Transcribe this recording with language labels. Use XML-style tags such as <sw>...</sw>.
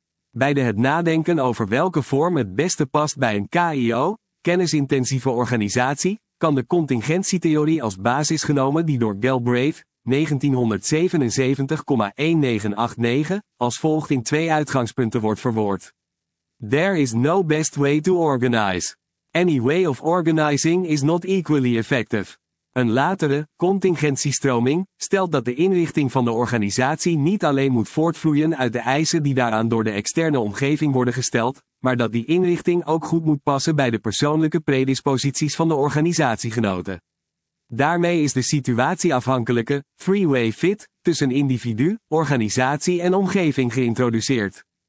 <nl>Bij de het nadenken over welke vorm het beste past bij een KIO, kennisintensieve organisatie, kan de contingentietheorie als basis genomen die door Galbraith, 1977,1989, als volgt in twee uitgangspunten wordt verwoord.</nl> <en>There is no best way to organize. Any way of organizing is not equally effective.</en> <nl>Een latere, contingentiestroming, stelt dat de inrichting van de organisatie niet alleen moet voortvloeien uit de eisen die daaraan door de externe omgeving worden gesteld, maar dat die inrichting ook goed moet passen bij de persoonlijke predisposities van de organisatiegenoten. Daarmee is de situatieafhankelijke, three-way fit, tussen individu, organisatie en omgeving geïntroduceerd.</nl>